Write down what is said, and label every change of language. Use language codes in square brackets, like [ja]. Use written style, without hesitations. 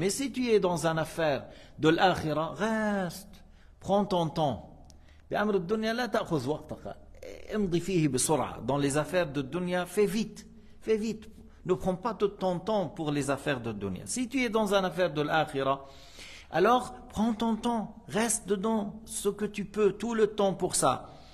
[fr] Mais si tu es dans une affaire de l'akhira, reste, prends ton temps. [ar] بأمر الدنيا لا تأخذ وقتك امضي فيه بسرعة. [fr] Dans les affaires de dunya, fais vite, ne prends pas tout ton temps pour les affaires de dunya. Si tu es dans une affaire de l'akhira, alors prends ton temps, reste dedans ce que tu peux, tout le temps pour ça.